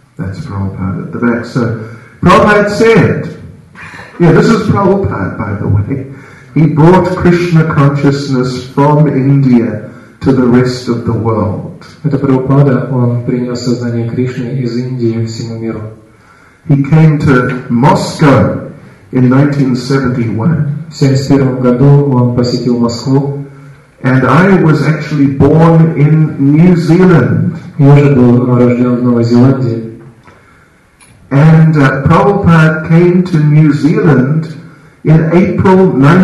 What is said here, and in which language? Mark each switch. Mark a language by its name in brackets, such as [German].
[English] That's Prabhupada at the back. So, Prabhupada said, yeah, this is Prabhupada, by the way. He brought Krishna consciousness from India to the rest of the world. [Russian] Это Прабхупада, он принес сознание Кришны из Индии всему миру. [English] He came to Moscow in 1971. And I was actually born in New Zealand. And Prabhupada came to New Zealand in April